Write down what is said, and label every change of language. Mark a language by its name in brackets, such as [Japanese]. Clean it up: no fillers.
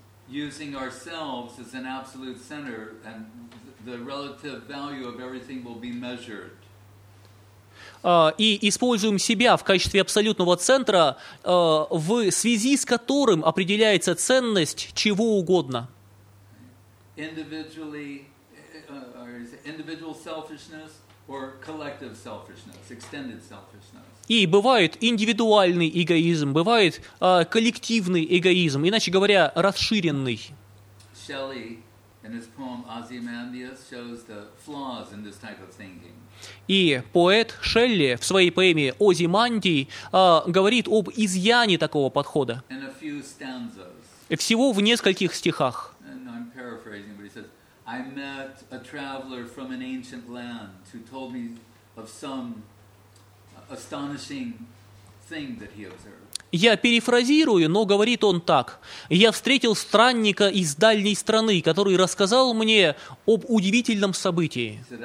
[Russian] И используем себя в качестве абсолютного центра, в связи с которым определяется ценность чего угодно. И бывает индивидуальный эгоизм, бывает коллективный эгоизм, иначе говоря, расширенный. [English] Shelley, in his poem Ozymandias, shows the flaws in this type of thinking. [Russian] И поэт Шелли в своей поэме «Озимандий» говорит об изъяне такого подхода. [English] In a few stanzas. [Russian] Всего в нескольких стихах. [English] And I'm paraphrasing, but he says, I met a traveler from an ancient land who told me of some astonishing thing that he observed. [Russian] Я перефразирую, но говорит он так. Я встретил странника из дальней страны, который рассказал мне об удивительном событии.